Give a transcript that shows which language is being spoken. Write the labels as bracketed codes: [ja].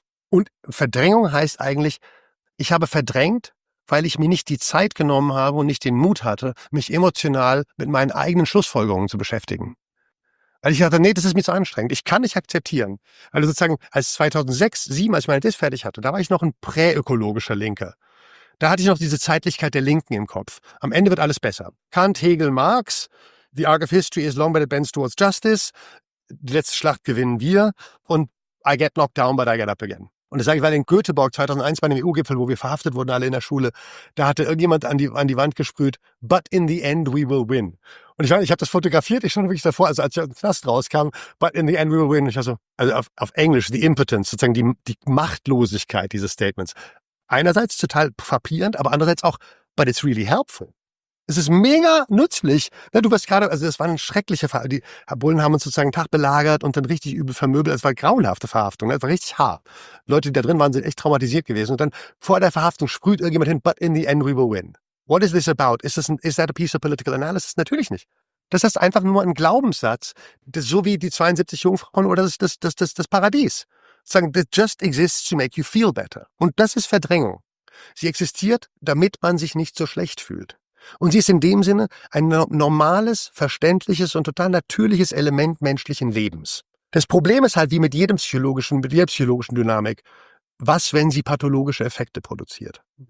[de] Und Verdrängung heißt eigentlich, ich habe verdrängt, weil ich mir nicht die Zeit genommen habe und nicht den Mut hatte, mich emotional mit meinen eigenen Schlussfolgerungen zu beschäftigen. Weil ich dachte, nee, das ist mir zu anstrengend. Ich kann nicht akzeptieren. Also sozusagen als 2006, 2007, als ich meine Diss fertig hatte, da war ich noch ein präökologischer Linker. Da hatte ich noch diese Zeitlichkeit der Linken im Kopf. Am Ende wird alles besser. Kant, Hegel, Marx, The Arc of History is long but it bends towards justice. Die letzte Schlacht gewinnen wir. Und I get knocked down, but I get up again. Und das sage ich, weil in Göteborg 2001 bei einem EU-Gipfel, wo wir verhaftet wurden, alle in der Schule, da hatte irgendjemand an die Wand gesprüht, but in the end we will win. Und ich habe das fotografiert, ich stand wirklich davor, also als ich aus dem Knast rauskam, but in the end we will win. Ich war so, also auf Englisch, the impotence, sozusagen die Machtlosigkeit dieses Statements. Einerseits total frappierend, aber andererseits auch, but it's really helpful. Es ist mega nützlich. Ja, du wirst gerade, also das war ein schrecklicher Fall. Die Bullen haben uns sozusagen einen Tag belagert und dann richtig übel vermöbelt. Es war grauenhafte Verhaftung. Es war richtig hart. Leute, die da drin waren, sind echt traumatisiert gewesen. Und dann vor der Verhaftung sprüht irgendjemand hin, but in the end we will win. [en] What is this about? Is that a piece of political analysis? [de] Natürlich nicht. Das ist einfach nur ein Glaubenssatz. Das, so wie die 72 Jungfrauen oder das Paradies. [en] Sagen, that just exists to make you feel better. [de] Und das ist Verdrängung. Sie existiert, damit man sich nicht so schlecht fühlt. Und sie ist in dem Sinne ein normales, verständliches und total natürliches Element menschlichen Lebens. Das Problem ist halt, wie mit jedem psychologischen, mit jeder psychologischen Dynamik, was, wenn sie pathologische Effekte produziert?